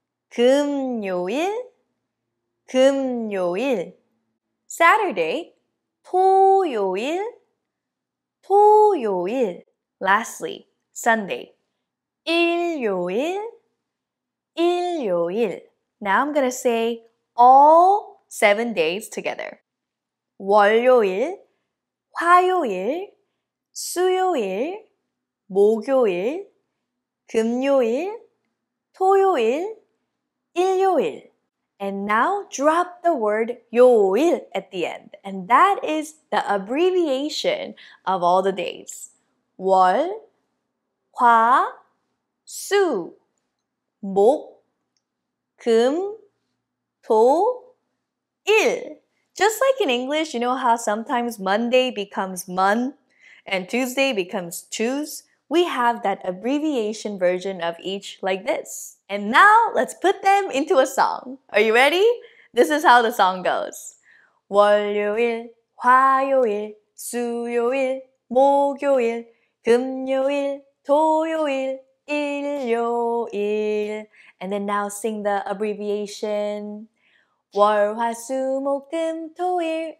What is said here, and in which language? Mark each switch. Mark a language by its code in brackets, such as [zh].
[ko] 금요일. 금요일. [en] Saturday. [ko] 토요일. 토요일. [en] Lastly, Sunday. [ko] 일요일. 일요일. [en] Now I'm going to say all 7 days together. [ko] 월요일, 화요일, 수요일, 목요일, 금요일, 토요일, 일요일. [en] And now drop the word 요일 at the end. And that is the abbreviation of all the days. [ko] 월, 화, 수, 목, 금, 토, 일. [en] Just like in English, you know how sometimes Monday becomes mon and Tuesday becomes choose? We have that abbreviation version of each like this. And now let's put them into a song. Are you ready? This is how the song goes. [ko] 월요일, 화요일, 수요일, 목요일, 금요일, 토요일, 일요일. [en] And then now sing the abbreviation. [ko] 월, 화, 수, 목, 금, 토, 일.